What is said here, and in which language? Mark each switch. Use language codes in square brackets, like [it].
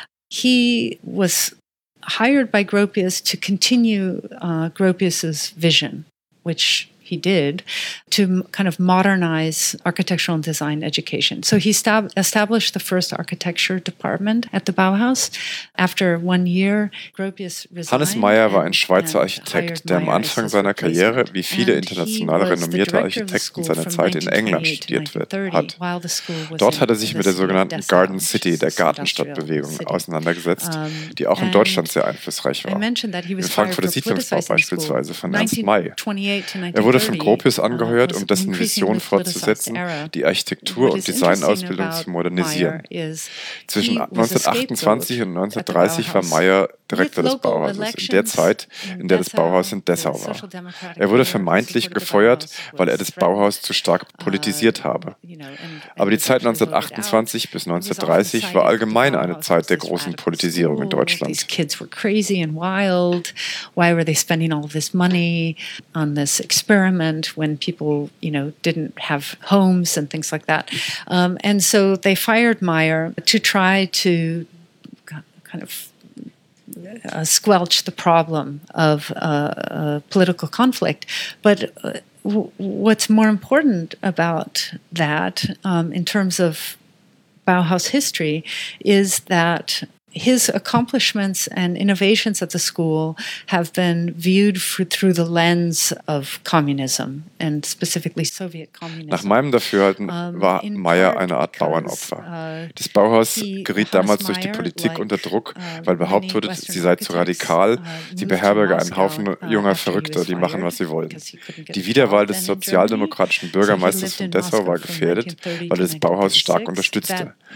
[en] He was hired by Gropius to continue Gropius's vision, which he did, to kind of modernize architectural design education. So he established the first architecture department at the Bauhaus. After 1 year, Gropius resigned. [de] Hannes Meyer war ein Schweizer Architekt, der am Anfang seiner Karriere, wie viele international renommierte Architekten seiner Zeit, in England studiert hat. Dort hat er sich mit der sogenannten Garden City, der Gartenstadtbewegung, auseinandergesetzt, die auch in Deutschland sehr einflussreich war. Im Frankfurter Siedlungsbau beispielsweise von Ernst May. Er wurde von Gropius angeheuert, um dessen Vision fortzusetzen, die Architektur- und Designausbildung zu modernisieren. Zwischen 1928 und 1930 war Meyer Direktor des Bauhauses, in der Zeit, in der das Bauhaus in Dessau war. Er wurde vermeintlich gefeuert, weil er das Bauhaus zu stark politisiert habe. Aber die Zeit 1928 bis 1930 war allgemein eine Zeit der großen Politisierung in Deutschland. [en] These kids were crazy and wild. Why were they spending all this money on this experiment when people, you know, didn't have homes and things like that? And so they fired Meyer to try to kind of squelch the problem of political conflict. But what's more important about that in terms of Bauhaus history is that his accomplishments and innovations at the school have been viewed through the lens of communism and specifically Soviet communism. [de] Nach meinem Dafürhalten war Meyer eine Art Bauernopfer. Das Bauhaus geriet damals durch die Politik unter Druck, weil behauptet wurde, sie sei zu radikal, sie beherberge einen Haufen junger Verrückter, die machen, was sie wollen. Die Wiederwahl des sozialdemokratischen Bürgermeisters von Dessau war gefährdet, weil er das Bauhaus stark unterstützte.